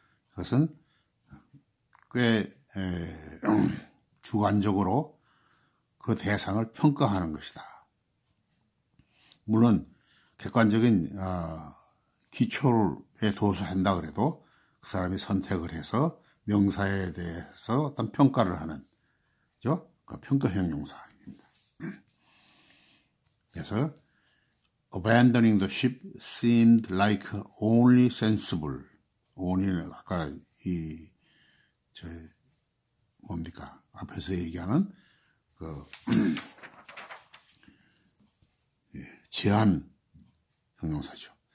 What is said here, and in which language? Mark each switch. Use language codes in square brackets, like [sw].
[ko] 그것은 꽤 주관적으로 그 대상을 평가하는 것이다. 물론 객관적인 기초에 도서한다 그래도 그 사람이 선택을 해서 명사에 대해서 어떤 평가를 하는, 그죠? 그 평가 형용사입니다. 그래서 [en] abandoning the ship seemed like only sensible. [ko] only는 아까 이저 뭡니까? 앞에서 얘기하는 그 제한 형용사죠.